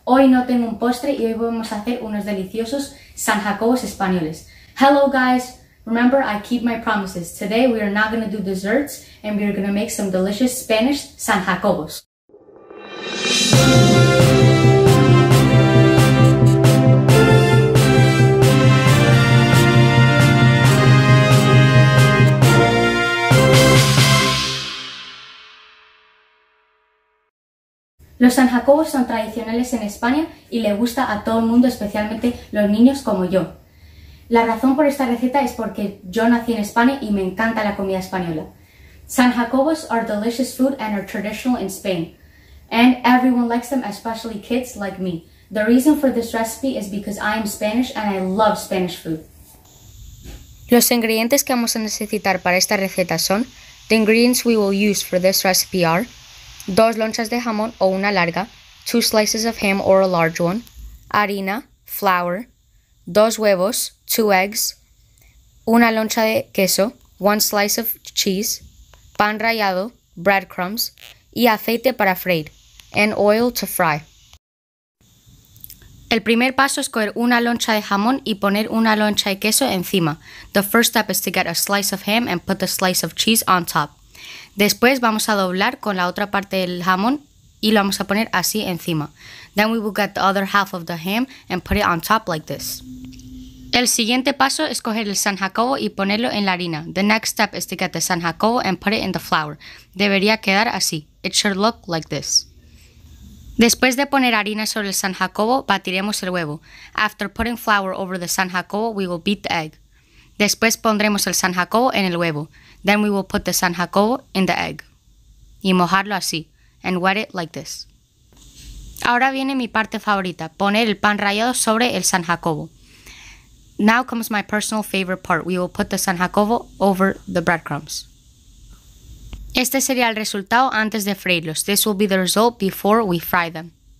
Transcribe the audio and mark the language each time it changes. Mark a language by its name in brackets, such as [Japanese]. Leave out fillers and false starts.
[Spanish] Hoy no tengo un postre y hoy vamos a hacer unos deliciosos San Jacobos españoles. [English] Hello guys, remember I keep my promises. Today we are not going to do desserts and we are going to make some delicious Spanish San Jacobos. [Spanish] Los San Jacobos son tradicionales en España y le gusta a todo el mundo, especialmente los niños como yo. La razón por esta receta es porque yo nací en España y me encanta la comida española. [English] San Jacobos are delicious food and are traditional in Spain. And everyone likes them, especially kids like me. The reason for this recipe is because I am Spanish and I love Spanish food. [Spanish] Los ingredientes que vamos a necesitar para esta receta son: [English] the ingredients we will use for this recipe are [Spanish] 2 lonchas de jamón o una larga, [English] 2 slices of ham or a large one, [Spanish] harina, flour, 2 huevos, [English] 2 eggs, [Spanish] una loncha de queso, [English] 1 slice of cheese, [Spanish] pan rallado, breadcrumbs, y aceite para freír, [English] and oil to fry. [Spanish] El primer paso es coger una loncha de jamón y poner una loncha de queso encima. [English] The first step is to get a slice of ham and put the slice of cheese on top. [Spanish] Después vamos a doblar con la otra parte del jamón y lo vamos a poner así encima. [English] Then we will get the other half of the ham and put it on top like this. [Spanish] El siguiente paso es coger el San Jacobo y ponerlo en la harina. [English] The next step is to get the San Jacobo and put it in the flour. [Spanish] Debería quedar así. [English] It should look like this. [Spanish] Después de poner harina sobre el San Jacobo, batiremos el huevo. [English] After putting flour over the San Jacobo, we will beat the egg. [Spanish] Después pondremos el San Jacobo en el huevo. [English] Then we will put the San Jacobo in the egg. [Spanish] Y mojarlo así. [English] And wet it like this. [Spanish] Ahora viene mi parte favorita. Poner el pan rallado sobre el San Jacobo. [English] Now comes my personal favorite part. We will put the San Jacobo over the breadcrumbs. [Spanish] Este sería el resultado antes de freírlos. [English] This will be the result before we fry them.